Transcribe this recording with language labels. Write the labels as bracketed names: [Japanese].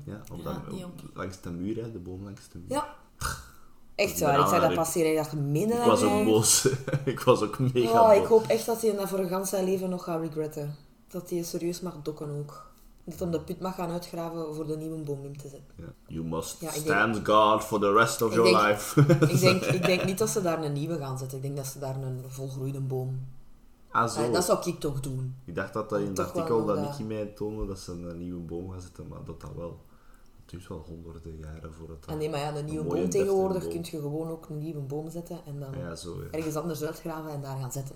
[Dutch] Ja, op dat, langs de muur, hè, de boom langs de muur. Ja. Echt waar, ik zei dat passeren, ik dacht, minder ik was ook boos. Ik was ook mega boos. Ik hoop echt dat hij dat voor een ganse leven nog gaat regretten. Dat hij serieus mag dokken ook. Dat hij de put mag gaan uitgraven voor de nieuwe boom in te zetten. [English] Yeah. You must stand guard for the rest of your life. [Dutch] Ik denk niet dat ze daar een nieuwe gaan zetten. Ik denk dat ze daar een volgroeide boom... Ah, zo. Dat zou ik toch doen. Ik dacht dat in het artikel dat Nicky mij toonde dat ze een nieuwe boom gaan zetten, maar dat wel... Het duurt wel honderden jaren voor het... Ah, nee, maar ja, een nieuwe boom tegenwoordig kun je gewoon ook een nieuwe boom zetten en dan ergens anders uitgraven en daar gaan zetten.